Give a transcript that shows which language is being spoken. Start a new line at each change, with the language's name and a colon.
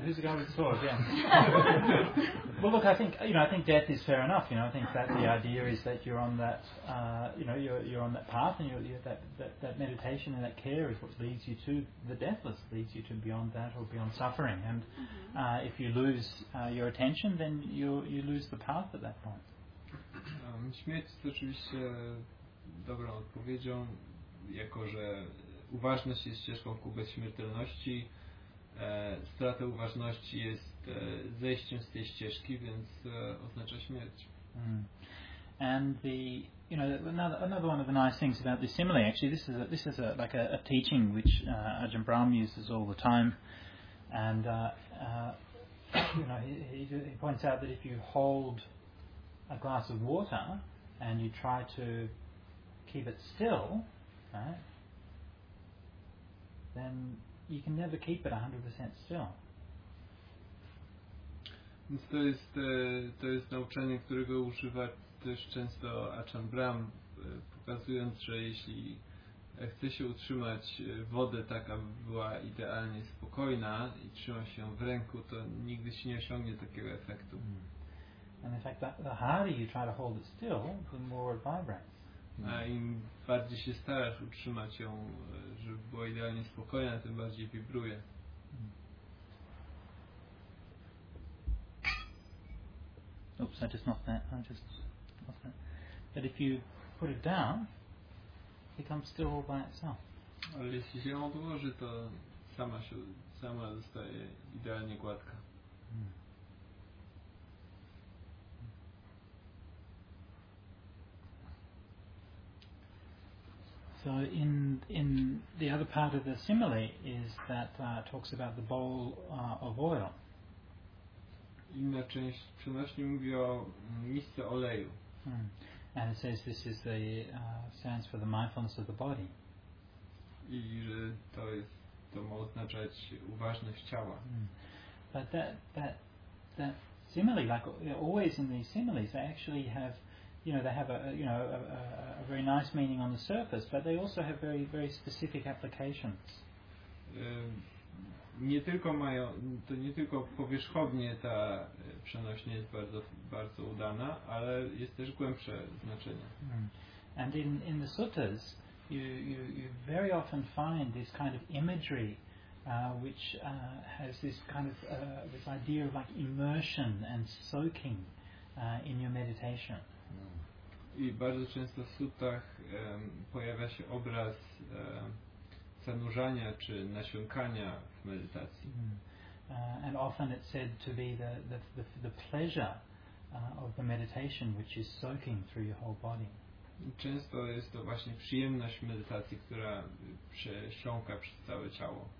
English: Who's the guy with the sword? Yeah. Well, look, I think death is fair enough. You know, I think that the idea is that you're on that you're on that path, and you're that meditation and that care is what leads you to the deathless, leads you to beyond that or beyond suffering. And if you lose your attention, then you lose the path at that point.
Polish: Śmierć jest oczywiście dobrą odpowiedzią, jako że uważność jest ścieżką ku bezśmiertelności. Strata uważności jest zejściem z tej ścieżki, więc oznacza śmierć.
English: And the, you know, another one of the nice things about this simile, actually, this is a teaching which Ajahn Brahm uses all the time. And you know, he points out that if you hold a glass of water and you try to keep it still, right, then you can never keep it 100% still.
Polish: Więc to jest nauczanie, którego używa też często Ajahn Brahm, pokazując, że jeśli chce się utrzymać wodę tak, aby była idealnie spokojna i trzyma się w ręku, to nigdy się nie osiągnie takiego efektu.
English: And in fact, the harder you try to hold it still, the more it vibrates.
Polish: A im bardziej się starasz utrzymać ją, żeby była idealnie spokojna, tym bardziej wibruje.
English: Oops, I just lost that. But if you put it down, it becomes still all by itself.
Polish: Ale jeśli się ją odłoży, to sama zostaje idealnie gładka.
English: So in the other part of the simile is that talks about the bowl of oil.
Polish: Inna część przenośni mówi o misce oleju.
English: And it says this is the stands for the mindfulness of the body.
Polish: I że to ma oznaczać uważność ciała.
English: But that simile, like always in these similes, they actually have, you know, they have a very nice meaning on the surface, but they also have very, very specific applications.
Polish: Nie tylko mają, to nie tylko powierzchownie ta przenośnia jest bardzo, bardzo udana, ale jest też głębsze znaczenie.
English: And in the suttas, you very often find this kind of imagery, which has this kind of this idea of like immersion and soaking in your meditation.
Polish: I bardzo często w suttach pojawia się obraz zanurzania czy nasiąkania w medytacji.
English: And often it's said to be the pleasure of the meditation, which is soaking through your whole body.
Polish: Często jest to właśnie przyjemność medytacji, która przesiąka przez całe ciało.